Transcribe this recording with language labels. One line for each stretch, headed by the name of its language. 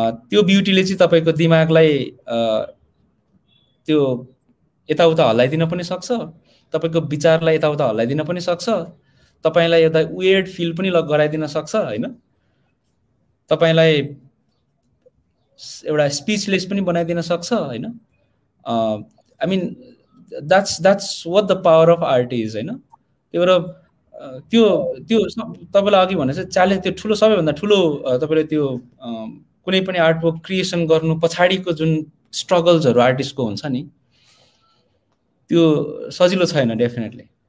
Nepali: त्यो ब्युटीले चाहिँ तपाईँको दिमागलाई त्यो यताउता हल्लाइदिन पनि सक्छ, तपाईँको विचारलाई यताउता हल्लाइदिन पनि सक्छ, तपाईँलाई एउटा
English: weird feel
Nepali: पनि गराइदिन सक्छ होइन, तपाईँलाई एउटा स्पिचलेस पनि बनाइदिन सक्छ होइन.
English: I mean that's what the power of art is
Nepali: होइन. त्यही भएर त्यो त्यो तपाईँलाई अघि भने चाहिँ च्यालेन्ज त्यो ठुलो सबैभन्दा ठुलो तपाईँले त्यो कुनै पनि आर्ट वर्क क्रिएसन गर्नु पछाडिको जुन स्ट्रगल्सहरू आर्टिस्टको हुन्छ नि त्यो सजिलो छैन डेफिनेटली.